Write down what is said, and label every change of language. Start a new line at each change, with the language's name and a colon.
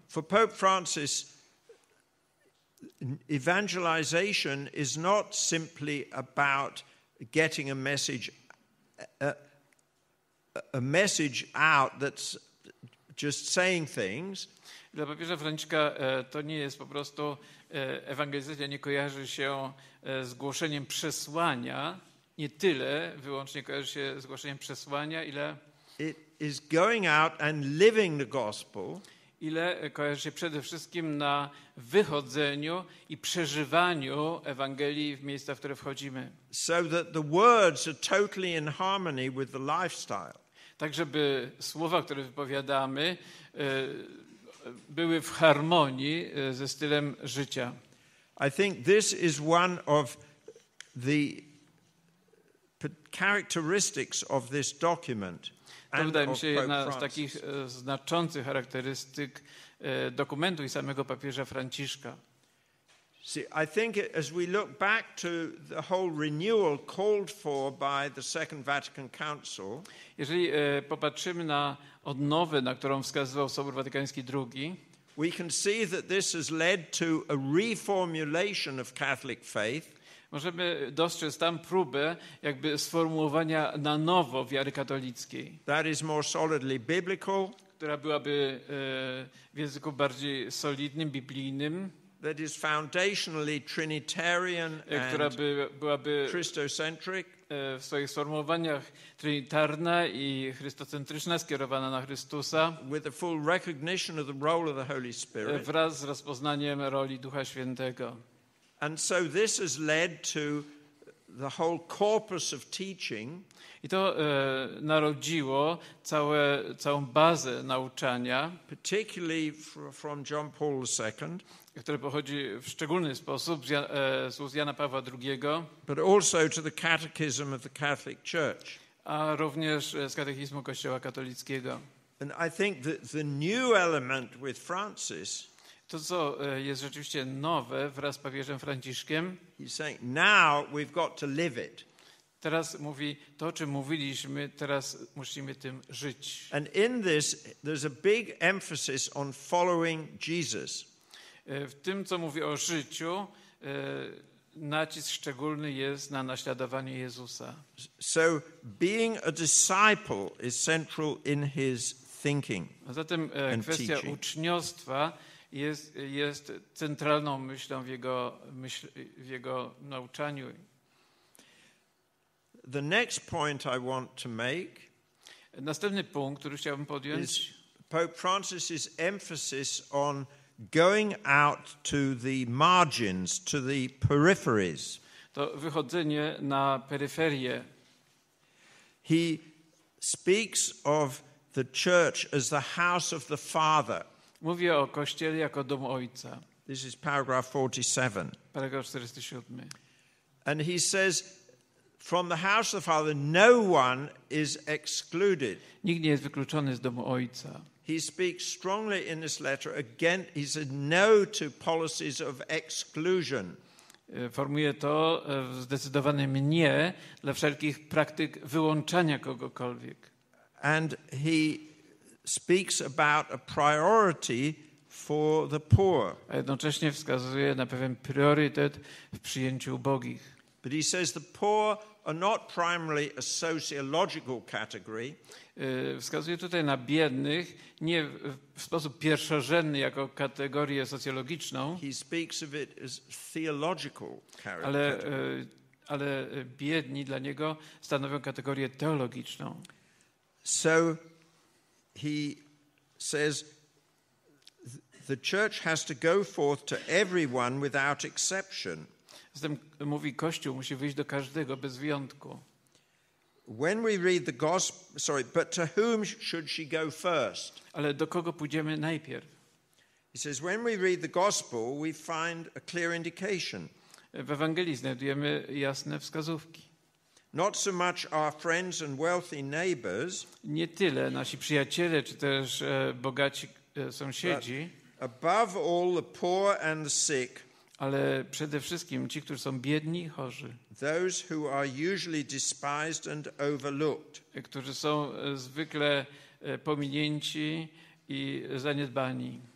English: For Pope Francis, evangelization is not simply about getting a message out that's just saying things.
Polish: Dla papieża Franciszka to nie jest po prostu ewangelizacja, nie kojarzy się z głoszeniem przesłania. Nie tyle wyłącznie kojarzy się z głoszeniem przesłania, ile
English: it is going out and living the gospel,
Polish: ile kojarzy się przede wszystkim na wychodzeniu i przeżywaniu Ewangelii w miejsca, w które wchodzimy.
English: So that the words are totally in harmony with the lifestyle.
Polish: Tak, żeby słowa, które wypowiadamy, były w harmonii ze stylem życia.
English: I think this is one of the characteristics of this document.
Polish: To wydaje mi się jedna z takich znaczących charakterystyk dokumentu i samego papieża Franciszka.
English: See, I think as we look back to the whole renewal called for by the Second Vatican Council.
Polish: Jeżeli popatrzymy na odnowę, na którą wskazywał Sobór Watykański II,
English: we can see that this has led to a reformulation of Catholic faith.
Polish: Możemy dostrzec tam próbę jakby sformułowania na nowo wiary katolickiej.
English: That is more solidly biblical,
Polish: która byłaby w języku bardziej solidnym, biblijnym.
English: That is foundationally trinitarian,
Polish: która byłaby
English: Christocentric,
Polish: w swoich sformułowaniach trinitarna i chrystocentryczna, skierowana na Chrystusa.
English: With a full recognition of the role of the Holy Spirit.
Polish: Wraz z rozpoznaniem roli Ducha Świętego.
English: And so this has led to the whole corpus of teaching.
Polish: I to narodziło całą bazę nauczania,
English: particularly from John Paul II,
Polish: które pochodzi w szczególny sposób z ust Jana Pawła II,
English: but also to the catechism of the Catholic Church.
Polish: A również z katechizmu Kościoła katolickiego.
English: And I think that the new element with Francis.
Polish: To, co jest rzeczywiście nowe wraz z papieżem Franciszkiem,
English: he's saying, now we've got to live it.
Polish: Teraz mówi to, o czym mówiliśmy, teraz musimy tym żyć.
English: And in this there's a big emphasis on following Jesus.
Polish: W tym, co mówi o życiu, nacisk szczególny jest na naśladowanie Jezusa.
English: So being a disciple is central in his thinking.
Polish: A zatem kwestia uczniostwa jest centralną myślą w jego nauczaniu.
English: The next point I want to make.
Polish: Następny punkt, który chciałbym podjąć,
English: Pope Francis's emphasis on going out to the margins, to the peripheries.
Polish: To wychodzenie na peryferie.
English: He speaks of the church as the house of the Father.
Polish: Mówi o kościele jako dom ojca.
English: This is paragraph 47.
Polish: Paragraf 47.
English: And he says, from the house of the Father, no one is excluded.
Polish: Nikt nie jest wykluczony z domu ojca.
English: He speaks strongly in this letter again. He said no to policies of exclusion.
Polish: Formuje to w zdecydowanym nie dla wszelkich praktyk wyłączania kogokolwiek.
English: And he speaks about a priority for the poor.
Polish: A jednocześnie wskazuje na pewien priorytet w przyjęciu ubogich.
English: But he says the poor are not primarily a sociological category.
Polish: Wskazuje tutaj na biednych, nie w sposób pierwszorzędny jako kategorię socjologiczną.
English: He speaks of it as theological category.
Polish: Ale biedni dla niego stanowią kategorię teologiczną.
English: So he says the church has to go forth to everyone without exception.
Polish: Zatem mówi, Kościół musi wyjść do każdego bez wyjątku.
English: When we read the gospel, sorry, but to whom should she go first?
Polish: Ale do kogo pójdziemy najpierw?
English: He says, when we read the gospel, we find a clear indication.
Polish: W Ewangelii znajdujemy jasne wskazówki.
English: Not so much our friends and wealthy neighbors.
Polish: Nie tyle nasi przyjaciele, czy też bogaci sąsiedzi.
English: Above all, the poor and the sick.
Polish: Ale przede wszystkim ci, którzy są biedni i chorzy.
English: Those who are usually despised and overlooked.
Polish: Którzy są zwykle pominięci i zaniedbani.